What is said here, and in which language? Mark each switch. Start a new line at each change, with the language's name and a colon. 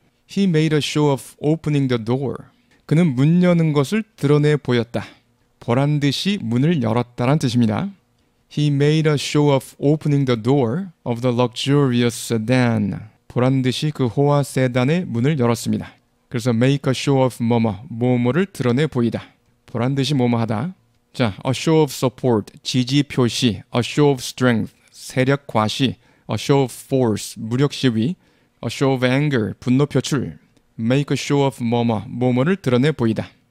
English: He made a show of opening the door.
Korean: 그는 문 여는 것을 드러내 보였다. 보란 듯이 문을 열었다란 뜻입니다.
English: He made a show of opening the door of the luxurious sedan.
Korean: 보란 듯이 그 호화 세단의 문을 열었습니다. 그래서 make a show of 뭐뭐, 뭐뭐를 드러내 보이다. 보란 듯이 뭐뭐하다. 자, a show of support, 지지 표시, a show of strength, 세력 과시, a show of force, 무력 시위, a show of anger, 분노 표출, make a show of 뭐뭐, 뭐뭐를 드러내 보이다.